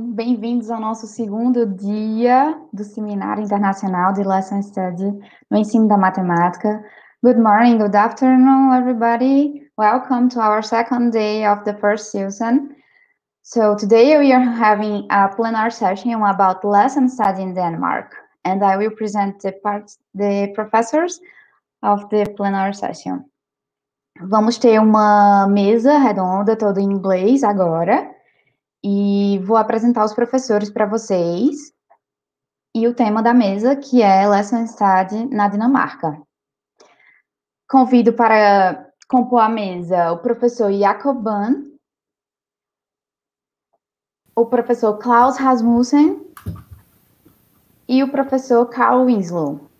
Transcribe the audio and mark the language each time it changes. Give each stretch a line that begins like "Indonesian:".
Portuguese: Bem-vindos ao nosso segundo dia do Seminário Internacional de Lesson Study no Ensino da Matemática.
English: Good morning, good afternoon, everybody. Welcome to our second day of the first SILSEM. So today we are having a plenary session about lesson study in Denmark. And I will present the professors of the plenary session.
Portuguese: Vamos ter uma mesa redonda toda em inglês agora. E vou apresentar os professores para vocês. E o tema da mesa, que é Lesson Study na Dinamarca. Convido para compor a mesa o professor Jacob Bahn, o professor Klaus Rasmussen e o professor Carl Winsløw.